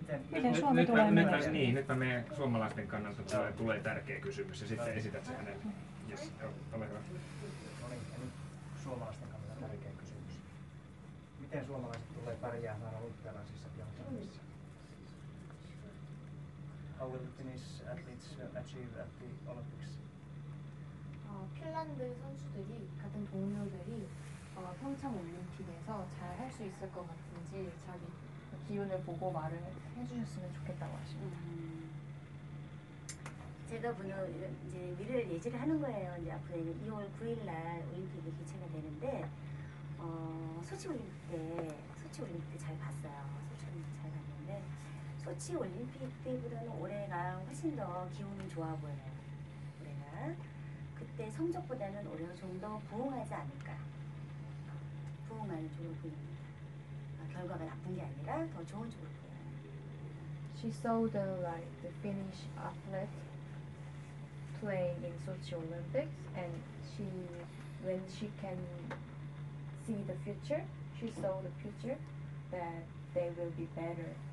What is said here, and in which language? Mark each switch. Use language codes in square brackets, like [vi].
[fi] Miten Suomi tulee myöhemmin? Niin, nyt meidän suomalaisten kannalta tulee tärkeä kysymys ja sitten esität sen hänelle. Yes, ole hyvä. Suomalaisten kannalta tärkeä kysymys. Miten suomalaiset tulee pärjäämään olympialaisissa Pyeongchangissa? [en] How will the Finnish athletes achieve at the Olympics? [ko] Finland 선수들이 같은 동료들이 평창 올림픽에서 잘 할 수 있을 것 같은지 자기 기운을 보고 말을 해주셨으면 좋겠다고 하십니다. 제가 보는 이제 미래를 예지를 하는 거예요. 이제 앞으로 2월 9일날 올림픽이 개최가 되는데 소치 올림픽 때 잘 봤어요. 소치 올림픽 잘 봤는데. 소치 올림픽 때보다는 올해가 훨씬 더 기운이 좋아 보여요. 올해가 그때 성적보다는 올해가 좀 더 부응하지 않을까. 부응하는 쪽으로 보입니다. 결과가 나쁜 게 아니라 더 좋은 쪽으로 보여요. [en] She saw the like the Finnish athlete playing in Sochi Olympics, and she when she can see the future, she saw the future that they will be better.